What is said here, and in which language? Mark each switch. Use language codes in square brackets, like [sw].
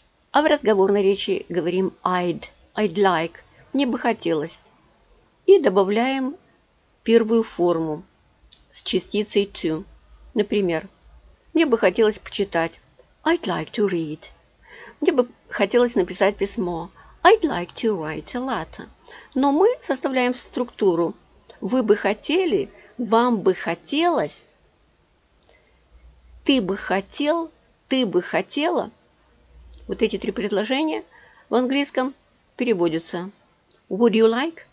[ru] А в разговорной речи говорим [en] I'd like. [ru] Мне бы хотелось. И добавляем первую форму с частицей to. Например, мне бы хотелось почитать. [en] I'd like to read. [ru] Мне бы хотелось написать письмо. [en] I'd like to write a letter. [ru] Но мы составляем структуру. Вы бы хотели, вам бы хотелось, ты бы хотел, ты бы хотела. Вот эти три предложения в английском переводятся. [en] Would you like?